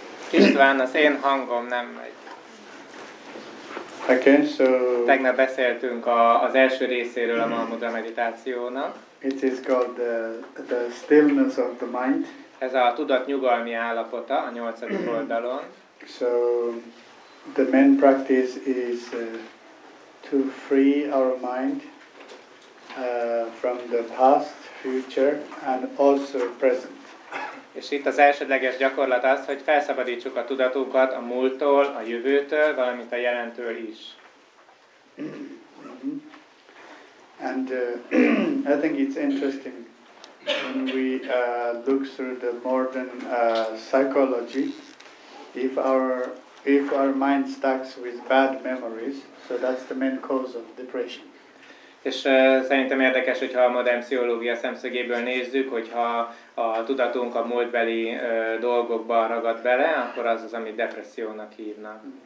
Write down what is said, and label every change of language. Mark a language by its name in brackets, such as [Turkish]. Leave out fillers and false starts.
[Hungarian] István, az én hangom nem megy. [English] Okay, so [Hungarian] tegnap beszéltünk az első részéről a Mahamudra meditációnak. [English] It is called the stillness of the mind. [Hungarian] Ez a tudat nyugalmi állapota a 8. oldalon. [English] So the main practice is to free our mind from the past, future and also present. [Hungarian] És itt az elsődleges gyakorlat az, hogy felszabadítsuk a tudatunkat a múlttól, a jövőtől, valamint a jelentől is. [English] And I think it's interesting when we look through the modern psychology, if our mind stacks with bad memories, so that's the main cause of depression. [Hungarian] És szerintem érdekes, hogyha a modern pszichológia szemszögéből nézzük, hogyha a tudatunk a múltbeli dolgokban ragad bele, akkor az az, amit depressziónak hívnak.